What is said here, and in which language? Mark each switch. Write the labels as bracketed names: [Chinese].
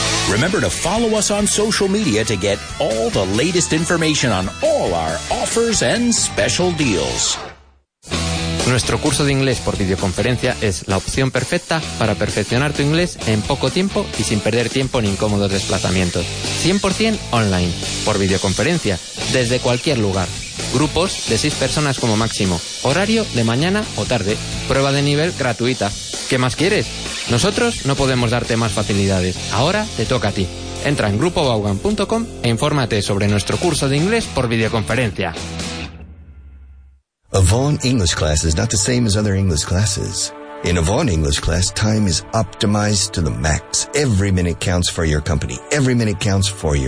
[English] Remember to follow us on social media to get all the latest information on all our offers and special deals. [Spanish] Nuestro curso de inglés por videoconferencia es la opción perfecta para perfeccionar tu inglés en poco tiempo y sin perder tiempo en incómodos desplazamientos. 100% online, por videoconferencia, desde cualquier lugar. Grupos de 6 personas como máximo. Horario de mañana o tarde. Prueba de nivel gratuita. ¿Qué más quieres? Nosotros no podemos darte más facilidades. Ahora te toca a ti. Entra en grupobaugan.com e infórmate sobre nuestro curso de inglés por videoconferencia. [English] Avon English Class is not the same as other English classes. In Avon English Class, time is optimized to the max. Every minute counts for your company. Every minute counts for your